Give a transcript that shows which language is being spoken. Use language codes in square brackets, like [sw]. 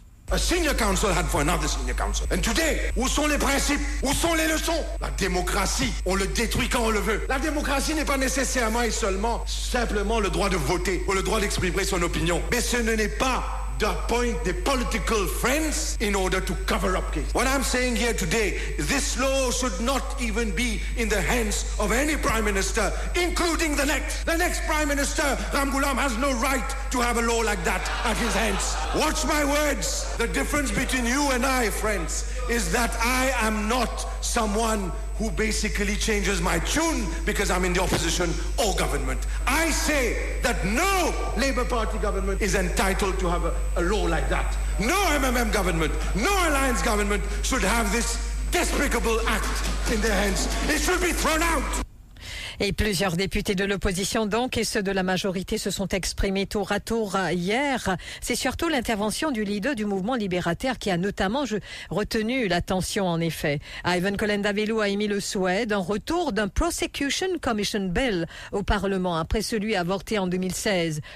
[en] A senior council had for another senior council. And today, [fr] où sont les principes? Où sont les leçons? La démocratie, on le détruit quand on le veut. La démocratie n'est pas nécessairement et seulement simplement le droit de voter ou le droit d'exprimer son opinion. Mais ce n'est pas d'appoint des [en] political friends in order to cover up cases. What I'm saying here today, this law should not even be in the hands of any prime minister, including the next. The next prime minister, Ramgoolam, has no right to have a law like that at his hands. Watch my words. The difference between you and I, friends, is that I am not someone who basically changes my tune because I'm in the opposition or government. I say that no Labour Party government is entitled to have a law like that. No MMM government, no Alliance government should have this despicable act in their hands. It should be thrown out. [fr] Et plusieurs députés de l'opposition, donc, et ceux de la majorité se sont exprimés tour à tour hier. C'est surtout l'intervention du leader du mouvement libertaire qui a notamment retenu l'attention, en effet. Ivan Colenda-Bellou a émis le souhait d'un retour d'un Prosecution Commission Bill au Parlement après celui avorté en 2016.